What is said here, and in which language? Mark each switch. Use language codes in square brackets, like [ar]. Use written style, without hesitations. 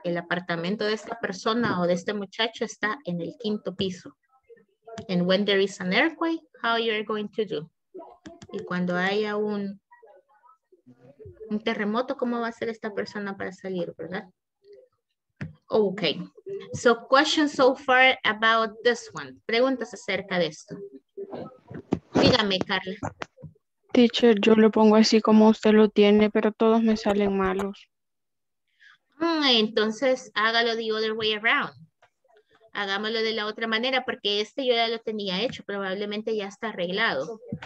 [es] El apartamento de esta persona o de este muchacho está en el quinto piso. [en] And when there is an earthquake, how you're going to do? [es] Y cuando haya un terremoto, ¿cómo va a ser esta persona para salir, verdad? [en] Okay, so questions so far about this one. [es] Preguntas acerca de esto. Dígame, Carla. Teacher, yo lo pongo así como usted lo tiene, pero todos me salen malos. Entonces, hágalo [en] the other way around. [es] Hagámoslo de la otra manera, porque este yo ya lo tenía hecho, probablemente ya está arreglado.